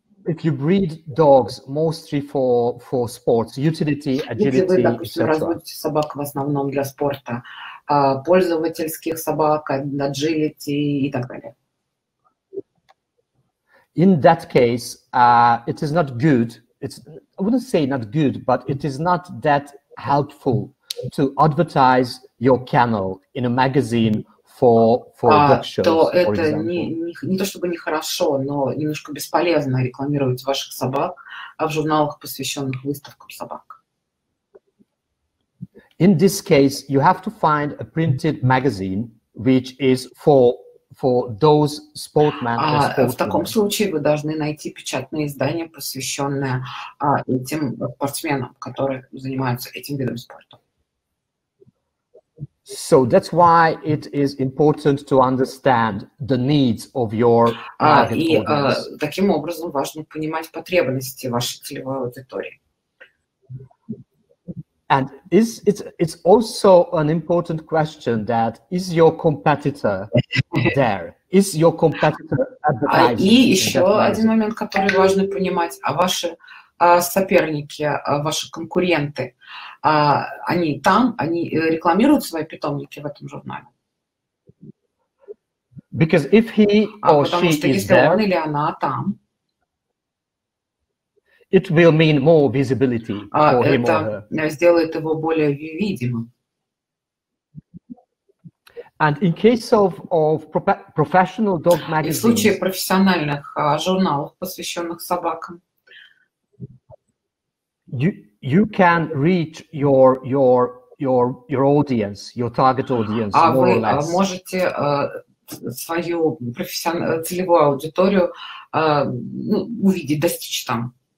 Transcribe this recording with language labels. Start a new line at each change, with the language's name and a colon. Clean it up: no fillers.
English: If you breed dogs mostly for sports, utility, agility,
Russian: если вы, допустим, разводите собак в основном для спорта, пользовательских собак, agility и так далее.
English: In that case, it is not good. I wouldn't say not good, but it is not that helpful to advertise your kennel in a magazine.
Russian: Не то чтобы не хорошо, но немножко бесполезно рекламировать ваших собак в журналах, посвященных выставкам собак.
English: In this case, you have to find a printed magazine, which is for those sportsmen.
Russian: В таком случае вы должны найти печатное издание, посвященное этим спортсменам, которые занимаются этим видом спорта.
English: So that's why it is important to understand the needs of your target audience.
Russian: Таким образом важно понимать потребности вашей целевой аудитории.
English: And it's also an important question that is your competitor there? Is your competitor advertising?
Russian: И еще один момент, который важно понимать, а ваши соперники, ваши конкуренты, они там, они рекламируют свои питомники в этом журнале?
English: Because if he or she
Russian: потому что
English: is
Russian: если
English: there,
Russian: он или она там,
English: it will mean more visibility for him or her.
Russian: Это сделает его более видимым.
English: And in case of professional dog magazines,
Russian: и в случае профессиональных журналов, посвященных собакам,
English: You can reach your audience, your target audience, more or less.
Russian: Вы можете свою профессиональную целевую аудиторию увидеть, достичь там.